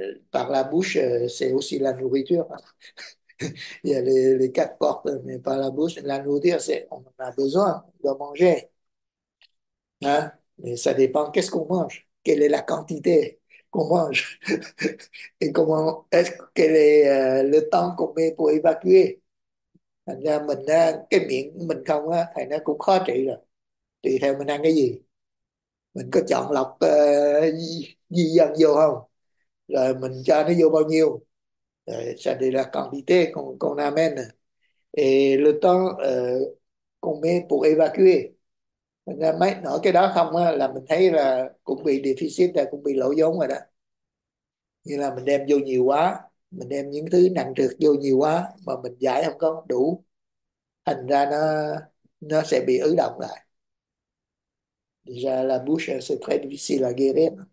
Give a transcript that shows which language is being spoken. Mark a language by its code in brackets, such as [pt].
[fr] Par la bouche, c'est aussi la nourriture. Il y a les quatre portes, mais par la bouche. La nourriture, c'est on en a besoin, on doit manger. Hein? Mais ça dépend qu'est-ce qu'on mange, quelle est la quantité qu'on mange, et comment est-ce quel est le temps qu'on met pour évacuer. [vi] Thành ra mình cái miệng mình không á, thì nó cũng khó trị rồi. Tùy theo mình ăn cái gì. Mình có chọn lọc di dân vô không? Rồi mình cho nó vô bao nhiêu? [fr] Rồi ça de la quantité qu'on amène. Et le temps qu'on met pour évacuer. [vi] Mấy nói cái đó không á, là mình thấy là cũng bị déficit, là cũng bị lỗ vốn rồi đó. Như là mình đem vô nhiều quá, mình đem những thứ nặng trược vô nhiều quá mà mình giải không có đủ. Thành ra nó sẽ bị ứ động lại. [fr] Déjà, la bouche, c'est très difficile à guérir.